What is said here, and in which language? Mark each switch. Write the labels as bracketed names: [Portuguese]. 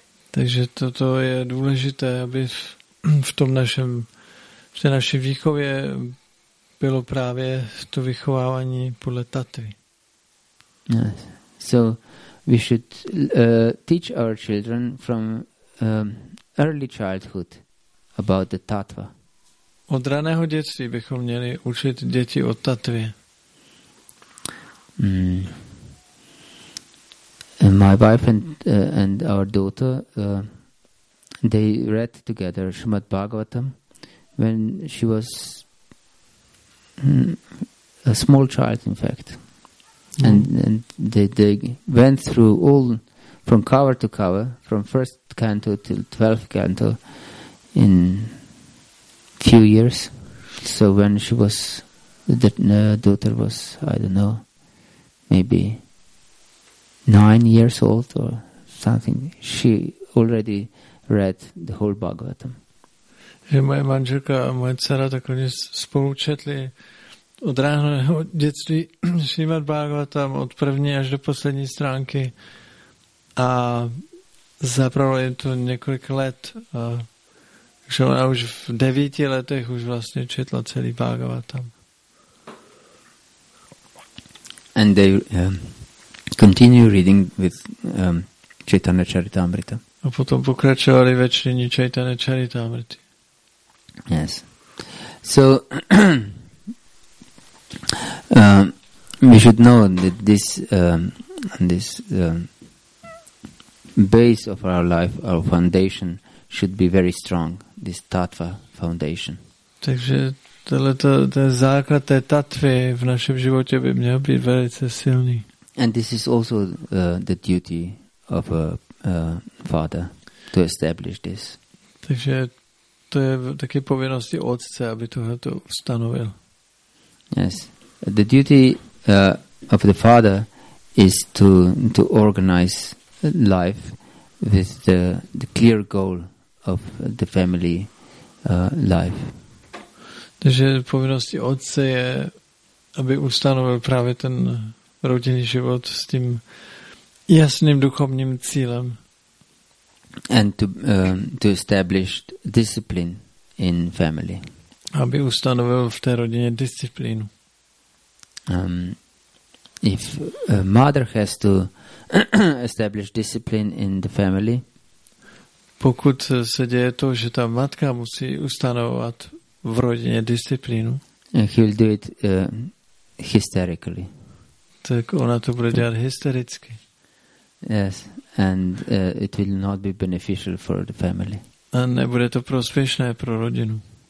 [Czech] Takže toto je důležité, aby v tom našem, v té naší výchově bylo právě to vychovávání podle tatvy. [English] Yes. So we should teach our children from early childhood about the tattva. [Czech] Od raného dětství bychom měli učit děti o tatvě. Mm. [English] My wife and our daughter, they read together Srimad Bhagavatam when she was a small child, in fact. And they went through all from cover to cover, from first canto till 12th canto in few years. So when she was, the daughter was, I don't know, maybe 9 years old or something, she already read the whole Bhagavatam. [Czech] Že moje manželka a moje dcera tak oni spolu četli od ráhleho dětství Srimad Bhagavatam od první až do poslední stránky a zapravilo jim to několik let. Takže ona už v 9 letech už vlastně četla celý Bhagavatam. [English] And they continue reading with Chaitanya Charitamrita. [Czech] A potom pokračovali ve čtení Chaitanya Charitamrity. [English] Yes. So we should know that this base of our life, our foundation, should be very strong. This tattva foundation. [Czech] Takže tohleto, ten základ té tattvy v našem životě by měl být velice silný. [English] And this is also the duty of a father to establish this. [Czech] Takže to je taky povinnost otce, aby tohleto stanovil. [English] Yes. The duty of the father is to organize life with the clear goal of the family life. [Czech] Takže povinnost otce je, aby ustanovil právě ten rodinný život s tím jasným duchovním cílem. [English] And to establish discipline in family. [Czech] Aby ustanovil v té rodině disciplínu. [English] If a mother has to establish discipline in the family, [Czech] pokud se děje to, že ta matka musí ustanovovat v rodině disciplínu, [English] he will do it hysterically. [Czech] Tak ona to bude dělat hystericky. [English] Yes, and it will not be beneficial for the family. [Czech] A nebude to prospěšné pro rodinu.